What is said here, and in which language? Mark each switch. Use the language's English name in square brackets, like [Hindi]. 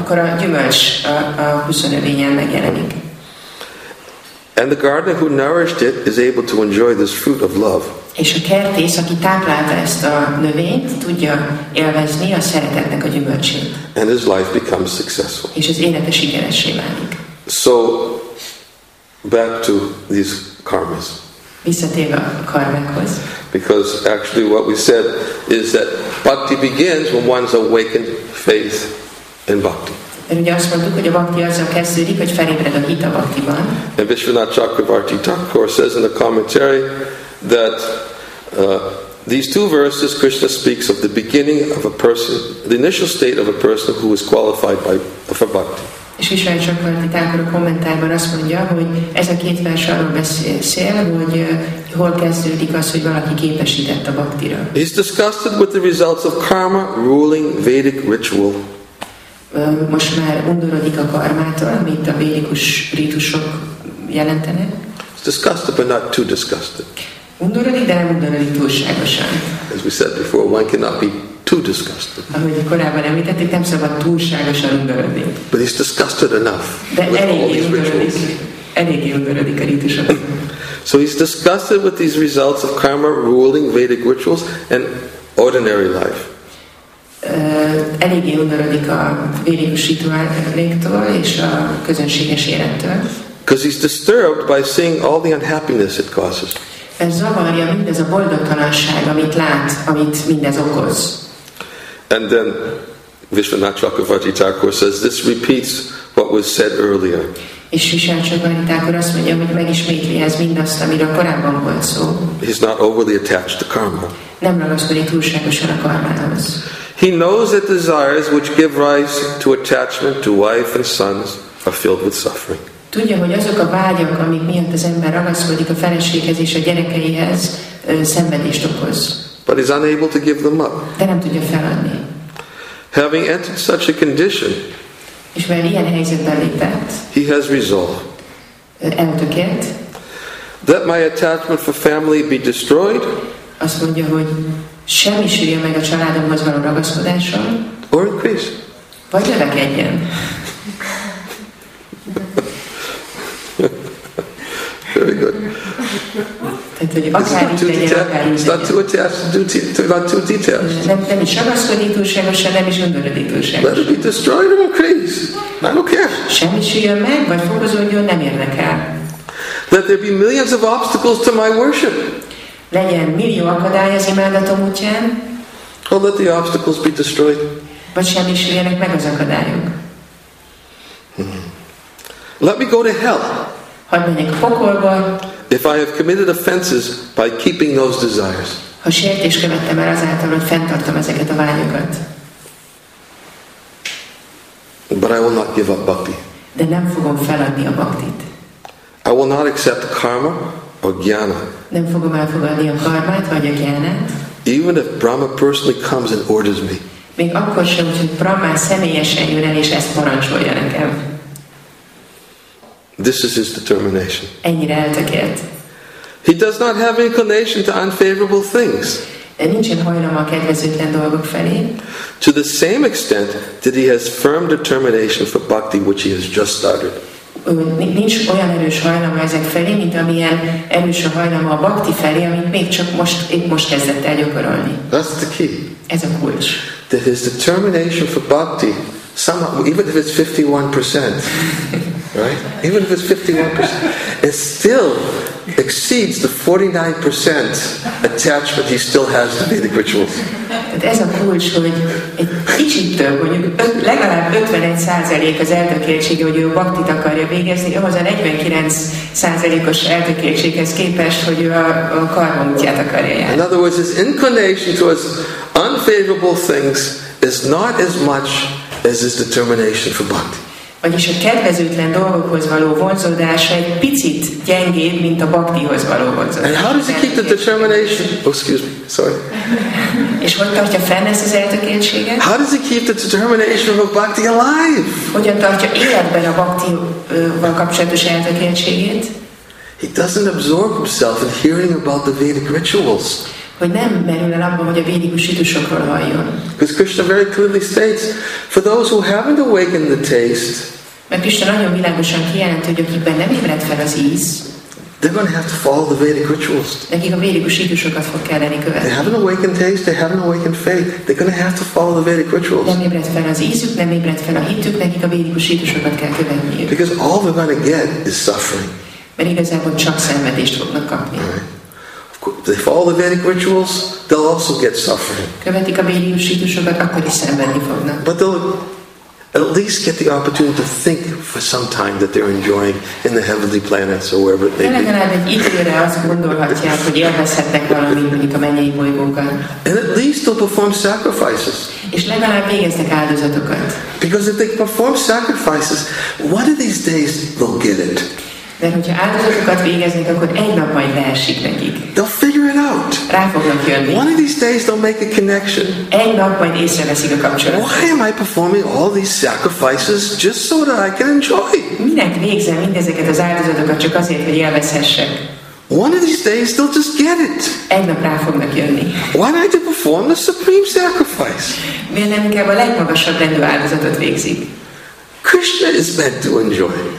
[Hungarian] Akkor a gyümölcs a kuszonövényen megjelenik. [English] And the gardener who nourished it is able to enjoy this fruit of love. [Hungarian] És a kertész, aki táplálta ezt a növényt, tudja élvezni a szeretetnek a gyümölcsét. [English] And his life becomes successful. [Hungarian] És az élete sikeressé válik. [English] So, back to these karmas. [Hungarian] Visszatérve a karmákhoz. [English] Because actually what we said is that bhakti begins when one's awakened faith in bhakti. [Hungarian] Mert ugye azt mondtuk, hogy a bhakti azzal kezdődik, hogy felébred a hit a bhaktiban. [English] And Vishwanath Chakravarti Thakur says in the commentary that these two verses Krishna speaks of the beginning of a person, the initial state of a person who is qualified by for bhakti. [Hungarian] És Vishwanath Chakravarti Thakur a kommentárban azt mondja, hogy ez a két vers arról beszél, hogy hol kezdődik az, hogy valaki képesített a bhaktira. [English] He's disgusted with the results of karma ruling Vedic ritual. [Hungarian] Most már undorodik a karmától, amit a védikus rítusok jelentenek. [English] It's disgusted, but not too disgusted. [Hungarian] Undorodik, de nem undorodik túlságosan. [English] As we said before, one cannot be too disgusted. [Hungarian] Ahogy korábban említettük, nem szabad túlságosan undorodni. [English] But he's disgusted enough with all these rituals. [Hungarian] Eléggé undorodik a rítusok. [English] So he's disgusted with these results of karma ruling Vedic rituals and ordinary life. [Hungarian] Eléggé undorodik a védikus rituáléktól és a közönséges élettől. [English] Because he's disturbed by seeing all the unhappiness it causes. [Hungarian] Ez zavarja mindez a boldogtalanság, amit lát, amit mindez okoz. [English] And then Vishwanath Chakravarti Thakur says this repeats what was said earlier. [Hungarian] És Vishwanath Chakravarti Thakur azt mondja, hogy megismétli ez mindazt, amiről korábban volt szó. [English] He's not overly attached to karma. [Hungarian] Nem ragaszkodik túlságosan a karmához. [English] He knows that desires which give rise to attachment to wife and sons are filled with suffering. [Hungarian] Tudja, hogy azok a vágyak, amik miatt az ember ragaszkodik a feleséghez és a gyerekeihez, szenvedést okoz. [English] But he's unable to give them up. [Hungarian] De nem tudja feladni. [English] Having entered such a condition, [Hungarian] és mert ilyen helyzetben lépett, [English] he has resolved [Hungarian] eltökélt, [English] that my attachment for family be destroyed. [Hungarian] Azt mondja, hogy semmi sűrje meg a családomhoz való ragaszkodással. [English] Or increase. [Hungarian] Vagy növekedjen. [English] Very good. [Hungarian] Tehát, hogy akár így legyen, akár így legyen. [English] It's not too attached, not too detached. [Hungarian] Nem is ragaszkodik túlságosan, nem is gondolodik túlságosan. [English] Let it be destroyed or increase. I don't care. [Hungarian] Semmi sűrje meg, vagy fokozódjon, nem érdekel. [English] Let there be millions of obstacles to my worship. [Hungarian] Legyen millió akadály az imádatom útján. [English] Or let the obstacles be destroyed. [Hungarian] Vagy semmi sűrjenek meg az akadályok. [English] Let me go to hell. [Hungarian] Hadd menjek a pokolba. [English] If I have committed offenses by keeping those desires. [Hungarian] Ha sértés követtem el azáltal, hogy fenntartom ezeket a vágyokat. [English] But I will not give up bhakti. [Hungarian] De nem fogom feladni a bhaktit. [English] I will not accept karma or jnana. [Hungarian] Nem fogom elfogadni a karmát vagy a jnánát. [English] Even if Brahma personally comes and orders me. [Hungarian] Még akkor sem, hogy Brahma személyesen jön el és ezt parancsolja nekem. [English] This is his determination. [Hungarian] Ennyire eltökélt. [English] He does not have inclination to unfavorable things. [Hungarian] Nincsen hajlama kedvezőtlen dolgok felé. [English] To the same extent that he has firm determination for bhakti which he has just started. [Hungarian] Nincs olyan erős hajlama ezek felé, mint amilyen erős a hajlama a bhakti felé, amit még csak most, épp most kezdett el gyakorolni. [English] That's the key. [Hungarian] Ez a kulcs. [English] That his determination for bhakti, somehow, even if it's 51%, Right? Even if it's 51%, it still exceeds the 49% attachment he still has to Vedic rituals. [Hungarian] Tehát ez a kulcs, hogy egy kicsit több, mondjuk legalább 51% az eltökéltsége, hogy ő baktit akarja végezni, ahhoz a 49%-os eltökéltséghez képest, hogy ő a karma útját akarja járni. [English] In other words, his inclination towards unfavorable things is not as much as his determination for bhakti. [Hungarian] Vagyis a kedvezőtlen dolgokhoz való vonzódása egy picit gyengébb, mint a baktihoz való vonzódása. [English] And how does he keep the determination? Oh, excuse me, sorry. [Hungarian] És hogy tartja fenn ezt az eltökéltséget? [English] How does he keep the determination of bhakti alive? [Hungarian] Hogyan tartja életben a baktival kapcsolatos eltökéltségét? [English] He doesn't absorb himself in hearing about the Vedic rituals. [Hungarian] Hogy nem merül el abban, hogy a védikus ritusokról halljon. [English] Because Krishna very clearly states, for those who haven't awakened the taste, [Hungarian] mert Krishna nagyon világosan kijelent, hogy akikben nem ébred fel az íz, [English] they're going to have to follow the Vedic rituals. [Hungarian] Nekik a védikus ritusokat fog kelleni követni. [English] They haven't awakened taste, they haven't awakened faith. They're going to have to follow the Vedic rituals. [Hungarian] Nem ébred fel az ízük, nem ébred fel a hitük, nekik a védikus ritusokat kell követniük. [English] Because all they're going to get is suffering. [Hungarian] Mert igazából csak szenvedést fognak kapni. [English] Right. If they follow the Vedic rituals, they'll also get suffering. [Hungarian] Követik a védikus ritusokat, akkor is szenvedni fognak. [English] But they'll at least get the opportunity to think for some time that they're enjoying in the heavenly planets or wherever they be. [Hungarian] Legalább egy időre azt gondolhatják, hogy élvezhetnek valami, mondjuk a mennyei bolygókon. [English] And at least they'll perform sacrifices. [Hungarian] És legalább végeznek áldozatokat. [English] Because if they perform sacrifices, what are these days they'll get it? [Hungarian] Mert hogyha áldozatokat végeznek, akkor egy nap majd leesik nekik. [English] They'll figure it out. [Hungarian] Rá fognak jönni. [English] One of these days they'll make a connection. [Hungarian] Egy nap majd észreveszik a kapcsolatot. [English] Why am I performing all these sacrifices just so that I can enjoy? [Hungarian] Minek végzem mindezeket az áldozatokat csak azért, hogy élvezhessek? [English] One of these days they'll just get it. [Hungarian] Egy nap rá fognak jönni. [English] Why not to perform the supreme sacrifice? [Hungarian] Miért nem inkább a legmagasabb rendű áldozatot végzik? [English] Krishna is meant to enjoy.